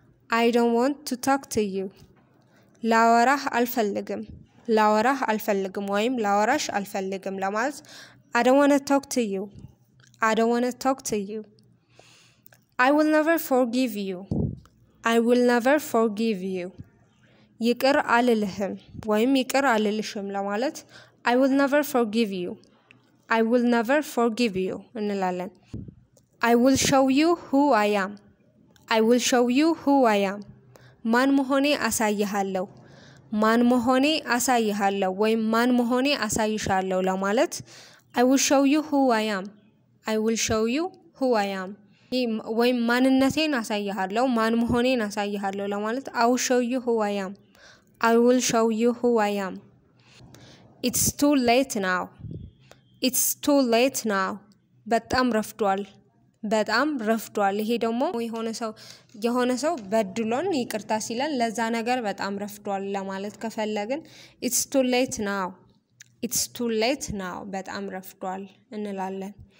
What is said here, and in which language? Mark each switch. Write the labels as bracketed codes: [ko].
[en] I don't want to talk to you. [am] ላወራህ አልፈልግም. ላወራህ አልፈልግም ወይም ላወራሽ አልፈልግም ለማለት [en] I don't want to talk to you. I don't want to talk to you. I will never forgive you. I will never forgive you. [am] ይቅር አልልህም ወይም ይቅር አልልሽም ለማለት [en] I will never forgive you. I will never forgive you [am] እንላለን. [en] I will show you who I am. I will show you who I am. [am] ማን መሆኔ አሳይሃለሁ. ማን መሆኔ አሳይሃለሁ ወይም ማን መሆኔ አሳይሻለሁ ለማለት [en] I will show you who I am. I will show you who I am. [am] ወይም ማንነቴን አሳይሃለሁ. ማን መሆኔን አሳይሃለሁ ለማለት [en] I will show you who I am. I will show you who I am. It's too late now. It's too late now. [am] በጣም ረፍዷል. በጣም ረፍዷል ይሄ ደግሞ የሆነ ሰው በድሎን ይቅርታ ሲለን ለዛ ነገር በጣም ረፍዷል ለማለት ከፈለግን [en] it's too late now [am] it's too late now በጣም ረፍዷል እንላለን